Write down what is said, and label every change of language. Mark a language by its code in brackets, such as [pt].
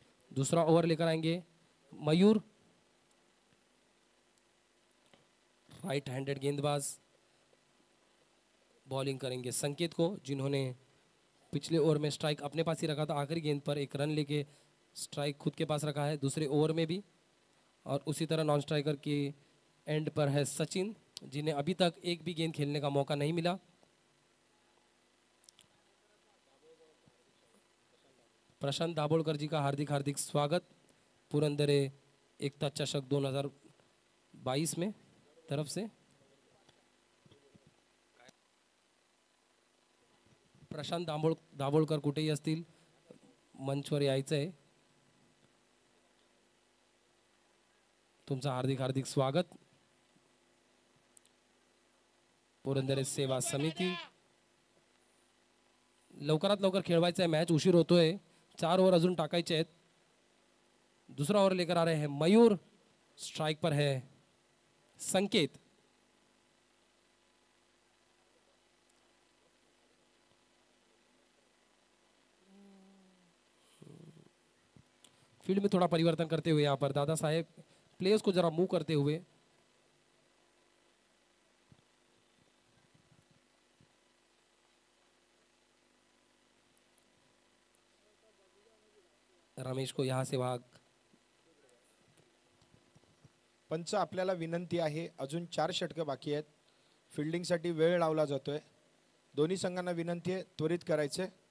[hi] दूसरा ओवर लेकर आएंगे मयूर, राइट हैंडेड गेंदबाज, बॉलिंग करेंगे संकेत को, जिन्होंने पिछले ओवर में स्ट्राइक अपने पास ही रखा था, आखिरी गेंद पर एक रन लेके स्ट्राइक खुद के पास रखा है दूसरे ओवर में भी, और उसी तरह नॉन स्ट्राइकर के एंड पर है सचिन, जिन्हें अभी तक एक भी गेंद खेलने का मौका नहीं मिला। प्रशांत दाभोलकर जी का हार्दिक हार्दिक स्वागत पुरंदरे एकता चषक 2022 में तरफ से। [mr] प्रशांत दाभोलकर कुठे ही असतील, मंचवर यायचं आहे, तुमचं हार्दिक हार्दिक स्वागत पुरंदरे सेवा समिती। लवकरात लवकर खेळवायचं आहे मॅच, उशीर होतोय, चार ओवर अजून टाकायचे आहेत। [hi] दुसरा ओवर लेकर आ रहे हैं मयूर, स्ट्राइक पर है संकेत, फील्ड में थोड़ा परिवर्तन करते हुए यहां पर दादा साहेब, प्लेयर्स को जरा मूव करते हुए, रमेश को यहां से भाग। [mr] पंच आपल्याला विनंती आहे, अजून चार षटक बाकी आहेत, फिल्डिंग साठी वेळ लावला जातोय, दोन्ही संघांना विनंती आहे त्वरित करायचे।